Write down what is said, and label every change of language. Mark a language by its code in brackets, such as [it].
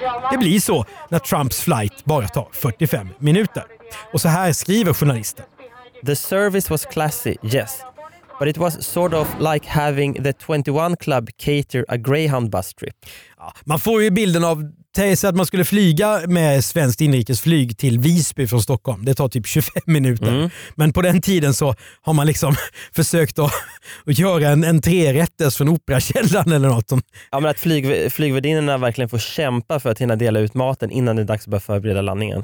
[sv] Det blir så när Trumps flight bara tar 45 minuter. Och så här skriver journalisten. [en] The service was classy, yes. But it was sort of like having the 21 Club cater a Greyhound bus trip. [sv] Ja, man får ju bilden av att man skulle flyga med svenskt inrikesflyg till Visby från Stockholm. Det tar typ 25 minuter. Mm. Men på den tiden så har man liksom försökt att göra en trerättes från operakällan eller något. Ja, men att flygvärdinnorna verkligen får kämpa för att hinna dela ut maten innan det är dags att börja förbereda landningen.